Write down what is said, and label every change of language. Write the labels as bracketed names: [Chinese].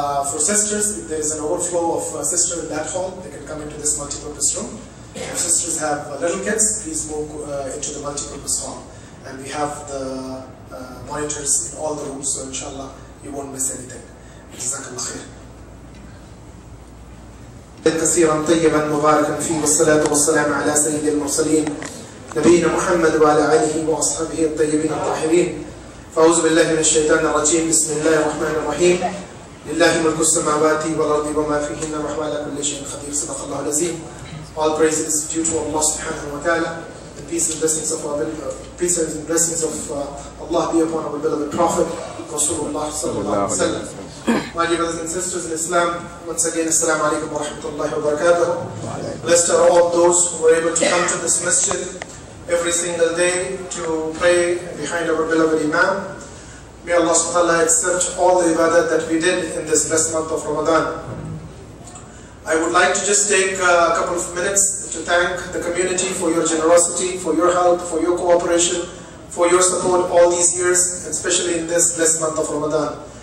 [English] For sisters, if there is an overflow of sisters in that hall, they can come into this multipurpose room. If sisters have little kids, please move into the multipurpose hall. And we have the monitors in all the rooms, so inshallah, you won't miss anything. Jazakallah khair. [Arabic] كثيراً طيباً مباركاً فيه والصلاة والسلام على سيد المرسلين نبينا محمد وعلى آله وأصحابه الطيبين الطاهرين فأعوذ بالله من الشيطان الرجيم بسم الله الرحمن الرحيم لله ملك السماوات والأرض وما فيهن وهو على كل شيء قدير صدق الله العظيم [English] All praise is due to Allah subhanahu wa ta'ala and peace and blessings of Allah be upon our beloved Prophet Rasulullah sallallahu alayhi wa sallam My dear brothers and sisters in Islam, once again, Assalamu alaikum wa rahmatullahi wa barakatuh. Blessed are all those who were able to come to this masjid every single day to pray behind our beloved Imam. May Allah subhanahu wa ta'ala accept all the ibadah that we did in this blessed month of Ramadan. I would like to just take a couple of minutes to thank the community for your generosity, for your help, for your cooperation, for your support all these years, especially in this blessed month of Ramadan.